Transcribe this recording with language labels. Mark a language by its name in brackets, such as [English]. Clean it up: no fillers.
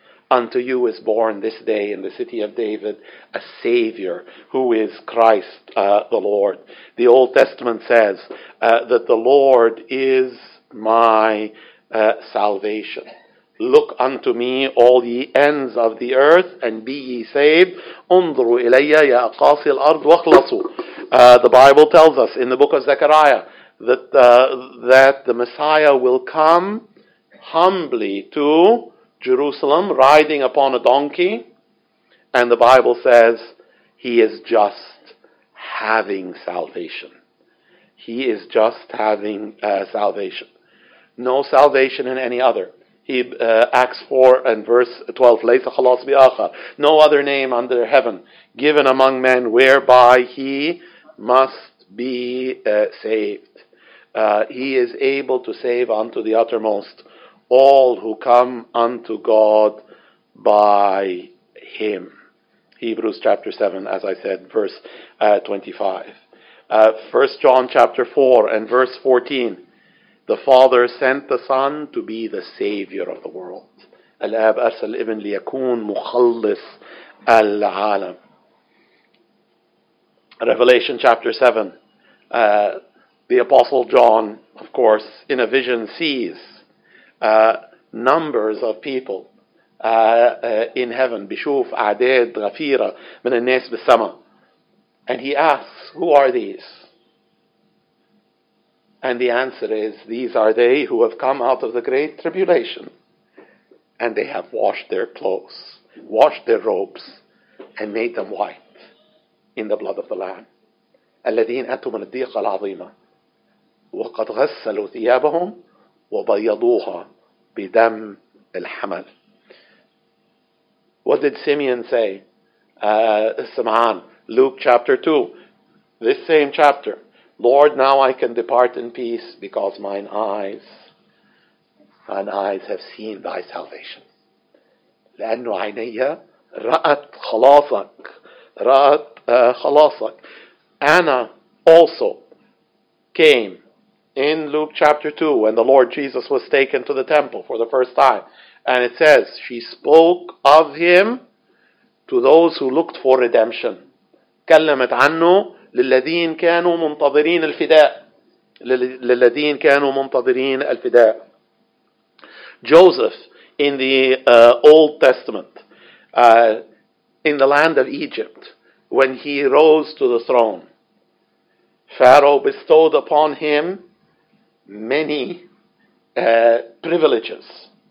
[English] Unto you is born this day in the city of David a Savior, who is Christ the Lord. The Old Testament says that the Lord is my salvation. Look unto me, all ye ends of the earth, and be ye saved. [Arabic] انظروا إلي يا أقاصي الأرض واخلصوا. [English] The Bible tells us in the book of Zechariah that the Messiah will come humbly to Jerusalem, riding upon a donkey. And the Bible says, he is just having salvation. He is just having salvation. No salvation in any other. Acts 4 and verse 12, [Arabic] لَيْسَ خَلَاصْ بِآخَرْ. [English] No other name under heaven given among men whereby he must be saved. He is able to save unto the uttermost all who come unto God by him. Hebrews chapter 7, as I said, verse 25. 1 John chapter 4 and verse 14. The Father sent the Son to be the Savior of the world. [Arabic] الأب أرسل ابن ليكون مخلص العالم. [English] Revelation chapter 7. The Apostle John, of course, in a vision sees numbers of people in heaven. [Arabic] بشوف أعداد غفيرة من الناس بالسماء. [English] And he asks, who are these? And the answer is, these are they who have come out of the great tribulation, and they have washed their clothes, washed their robes, and made them white in the blood of the Lamb. [Arabic] الذين أتوا من الضيقة العظيمة وقد غسلوا ثيابهم وبيضوها بدم الحمل. [English] What did Simeon say? Simeon, Luke chapter 2, this same chapter. Lord, now I can depart in peace because mine eyes have seen thy salvation. [Arabic] لأنه عيني رأت خلاصك. رأت خلاصك. [English] Anna also came in Luke chapter 2 when the Lord Jesus was taken to the temple for the first time. And it says, she spoke of him to those who looked for redemption. [Arabic] كلمت عنه للذين كانوا منتظرين الفداء. للذين كانوا منتظرين الفداء. [English] Joseph in the Old Testament, in the land of Egypt, when he rose to the throne, Pharaoh bestowed upon him many privileges.